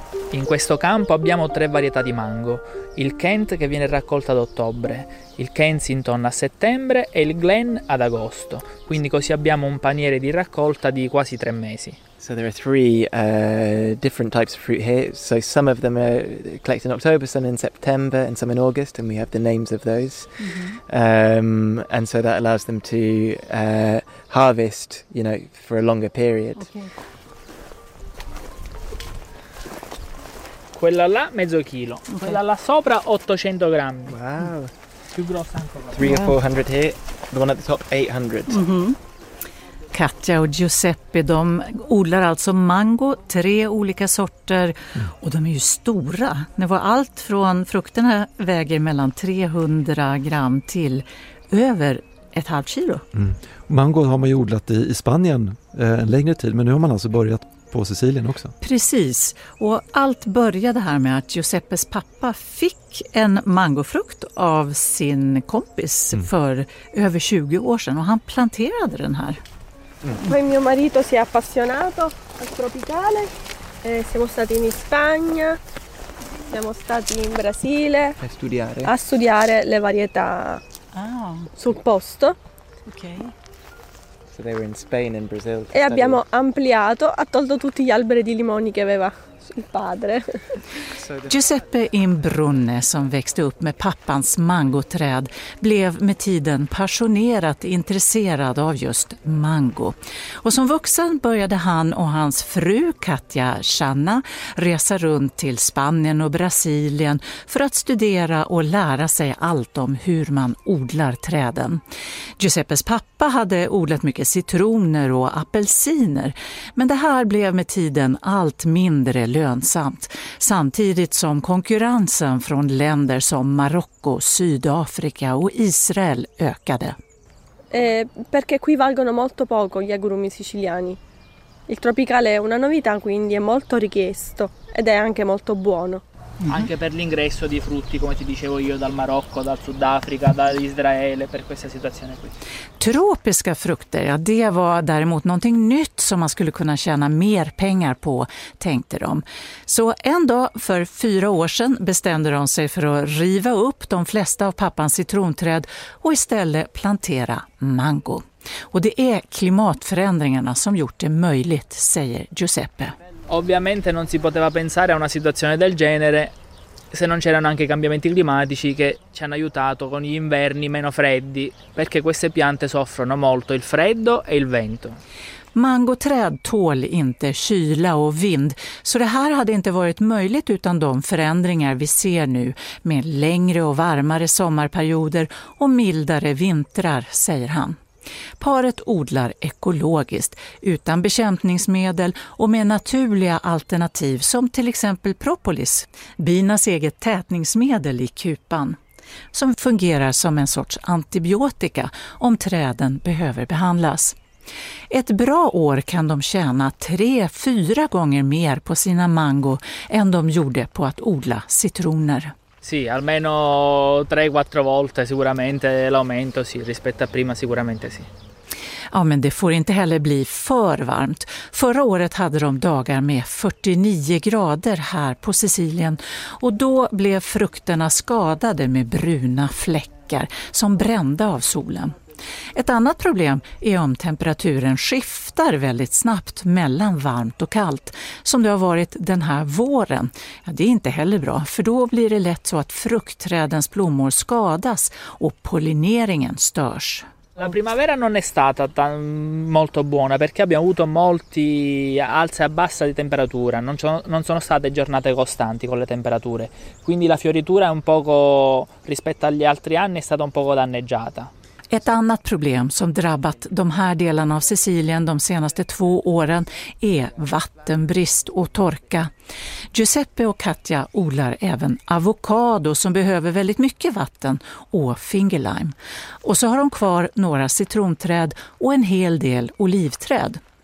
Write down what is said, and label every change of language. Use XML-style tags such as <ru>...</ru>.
<it>In questo campo abbiamo tre varietà di mango: il Kent che viene raccolto ad ottobre, il Kensington a settembre e il Glen ad agosto. Quindi così abbiamo un paniere di raccolta di quasi tre mesi.</it> <en>So there are three different types of fruit here. So some of them are collected in October, some in September and some in August, and we have the names of those. Mm-hmm. And so that allows them to harvest, you know, for a longer period. Okay.</en> <it>Quella là mezzo chilo. Okay. Quella là sopra 800 grammi. Wow. Più grossa ancora.</it> <en>300 or 400 here. The one at the top 800. Mm-hmm.</en> <sv>Katja och Giuseppe, de odlar alltså mango, tre olika sorter, och de är ju stora. Det var allt från frukterna väger mellan 300 gram till över ett halvt kilo. Mm. Mango har man ju odlat i Spanien en längre tid, men nu har man alltså börjat på Sicilien också. Precis, och allt började här med att Giuseppes pappa fick en mangofrukt av sin kompis för över 20 år sedan, och han planterade den här.</sv> <it>Poi mio marito si è appassionato al tropicale. Siamo stati in Spagna. Siamo stati in Brasile a studiare le varietà sul posto. Ok.</it> <en>So they were in Spain and Brazil.</en> <it>E abbiamo ampliato, ha tolto tutti gli alberi di limoni che aveva il padre.</it> <sv>Giuseppe Imbrunne, som växte upp med pappans mangoträd, blev med tiden passionerat intresserad av just mango. Och som vuxen började han och hans fru Katja Channa resa runt till Spanien och Brasilien för att studera och lära sig allt om hur man odlar träden. Giuseppes pappa hade odlat mycket citroner och apelsiner, men det här blev med tiden allt mindre lönsamt. Samtidigt som konkurrensen från länder som Marocko, Sydafrika och Israel ökade.</sv> <it>Perché qui valgono molto poco gli agrumi siciliani. Il tropicale è una novità, quindi è molto richiesto ed è anche molto buono. Anche per l'ingresso di frutti, come ti dicevo io, dal Marocco, dal Sudafrica, dall'Israele, per questa situazione qui.</it> <sv>Tropiska frukter, ja, det var däremot någonting nytt som man skulle kunna tjäna mer pengar på, tänkte de. Så en dag för 4 år sedan bestämde de sig för att riva upp de flesta av pappans citronträd och istället plantera mango. Och det är klimatförändringarna som gjort det möjligt, säger Giuseppe. Ovviamente non si poteva pensare a una situazione del genere se non c'erano anche i cambiamenti climatici che ci hanno aiutato con gli inverni meno freddi, perché queste piante soffrono molto il freddo e il vento. Mangoträd tål inte kyla och vind, så det här hade inte varit möjligt utan de förändringar vi ser nu med längre och varmare sommarperioder och mildare vintrar, säger han. Paret odlar ekologiskt, utan bekämpningsmedel och med naturliga alternativ som till exempel propolis, binas eget tätningsmedel i kupan, som fungerar som en sorts antibiotika om träden behöver behandlas. Ett bra år kan de tjäna 3-4 gånger mer på sina mango än de gjorde på att odla citroner.</sv> <it>Sì, almeno 3-4 volte sicuramente l'aumento, sì, rispetto a prima sicuramente sì.</it> <sv>Ja, men det får inte heller bli för varmt. Förra året hade de dagar med 49 grader här på Sicilien, och då blev frukterna skadade med bruna fläckar som brände av solen. Ett annat problem är om temperaturen skiftar väldigt snabbt mellan varmt och kallt, som det har varit den här våren. Ja, det är inte heller bra, för då blir det lätt så att fruktträdens blommor skadas och pollineringen störs.</sv> <it>La primavera non è stata molto buona perché abbiamo avuto molti alzi a bassa di temperatura, non sono state giornate costanti con le temperature, quindi la fioritura è un poco rispetto agli altri anni è stata un poco danneggiata.</it> <sv>Ett annat problem som drabbat de här delarna av Sicilien de senaste 2 åren är vattenbrist och torka. Giuseppe och Katja odlar även avokado som behöver väldigt mycket vatten och fingerlime. Och så har de kvar några citronträd och en hel del olivträd.</sv>